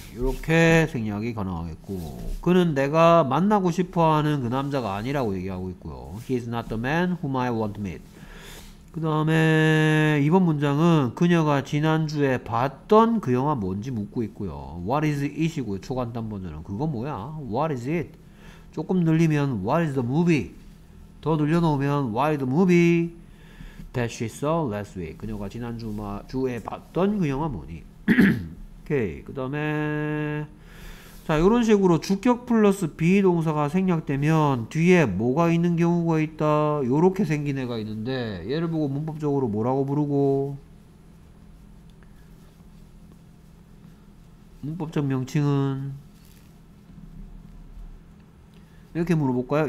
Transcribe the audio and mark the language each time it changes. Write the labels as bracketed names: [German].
[Korean] 이렇게 생략이 가능하겠고 그는 내가 만나고 싶어하는 그 남자가 아니라고 얘기하고 있고요. [English] He is not the man whom I want to meet. [Korean] 그 다음에 이번 문장은 그녀가 지난주에 봤던 그 영화 뭔지 묻고 있고요. [English] What is it [Korean] 이고요. 초간단 버전은 그건 뭐야? [English] What is it? [Korean] 조금 늘리면 [English] What is the movie? 더 늘려놓으면 Why the movie that she saw last week? [Korean] 그녀가 지난주에 봤던 그 영화 뭐니? 오케이. 그 다음에 자 이런 식으로 주격 플러스 비동사가 생략되면 뒤에 뭐가 있는 경우가 있다? 요렇게 생긴 애가 있는데 얘를 보고 문법적으로 뭐라고 부르고 문법적 명칭은 이렇게 물어볼까요?